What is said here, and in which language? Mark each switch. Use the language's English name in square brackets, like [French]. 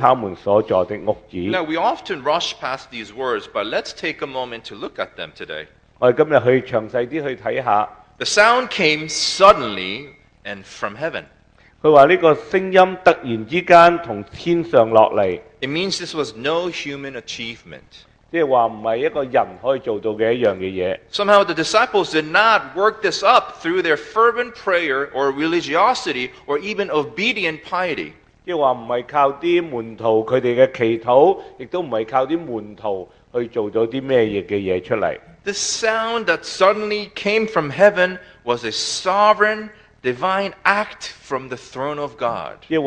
[English] Now we often rush past these words, but let's take a moment to look at them today. [Chinese] 我们今天去详细一点去看一下。The [English] sound came suddenly and from heaven. [Chinese] 他说这个声音突然之间从天上落来。 [English] It means this was no human achievement. [Chinese] 即是说不是一个人可以做到的一样的事。 [English] Somehow the disciples did not work this up through their fervent prayer or religiosity or even obedient piety. [Chinese] 即是说不是靠门徒他们的祈祷，也不是靠门徒去做到什么的事出来。 [English] The sound that suddenly came from heaven was a sovereign divine act from the throne of God.